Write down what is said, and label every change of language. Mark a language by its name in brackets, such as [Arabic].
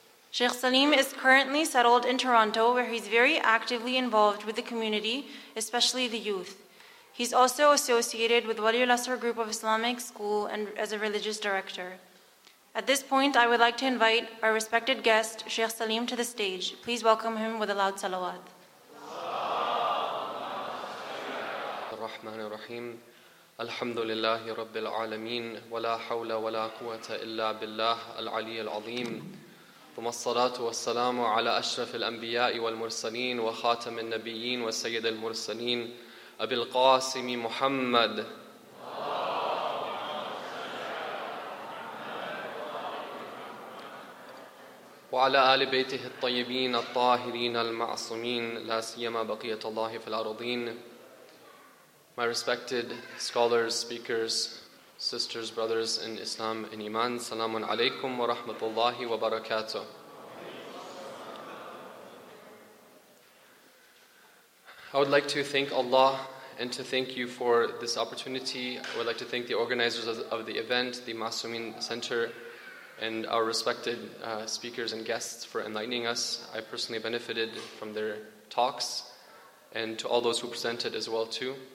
[English] Sheikh Salim is currently settled in Toronto, where he's very actively involved with the community, especially the youth. He's also associated with Waliul Asr Group of Islamic School and as a religious director. At this point, I would like to invite our respected guest, Sheikh Salim, to the stage. Please welcome him with a loud salawat. [Arabic] الرحمن الرحيم الحمد لله رب العالمين ولا حول ولا قوة إلا بالله العلي العظيم ثم الصلاة والسلام على أشرف الأنبياء والمرسلين وخاتم النبيين وسيد المرسلين أبي القاسم محمد وعلى آل بيته الطيبين الطاهرين المعصومين لا سيما بقية الله في الأرضين [English] My respected scholars, speakers, sisters, brothers in Islam and Iman, Salamun Alaikum wa Rahmatullahi wa Barakatuh. I would like to thank Allah and to thank you for this opportunity. I would like to thank the organizers of the event, the Masumin Center, and our respected speakers and guests for enlightening us. I personally benefited from their talks and to all those who presented as well too.